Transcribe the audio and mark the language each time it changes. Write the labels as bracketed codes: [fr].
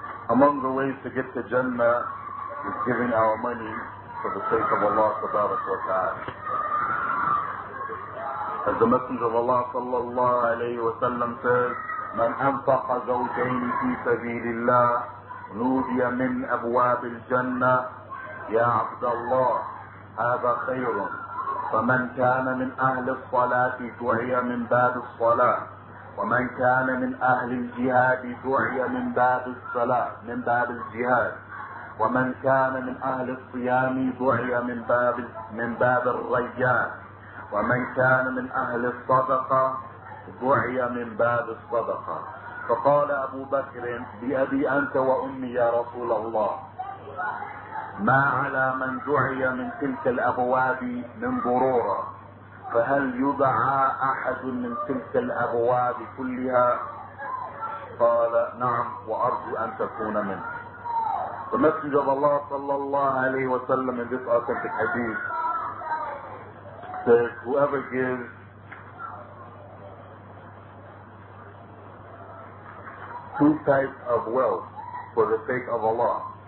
[en] Among the ways to get to Jannah is giving our money for the sake of Allah tabarak wa ta'ala. As the Messenger of Allah sallallahu alayhi wa sallam says, [ar] من أنفق زوجين في سبيل الله نودي من أبواب الجنة يا عبد الله هذا خير، فمن كان من اهل الصلاة دعي من باب الصلاة، ومن كان من اهل الجهاد دعي من باب الصلاة من باب الجهاد، ومن كان من اهل الصيام دعي من باب الريان، ومن كان من اهل الصدقة دعي من باب الصدقة. فقال ابو بكر: بأبي انت وامي يا رسول الله، ما على من دعي من تلك الابواب من ضرورة، فهل يدعى احد من تلك الابواب كلها؟ قال: نعم، وارجو ان تكون منه. فمسجد الله صلى الله عليه وسلم [en] in this authentic hadith says, whoever gives two types of wealth for the sake of Allah,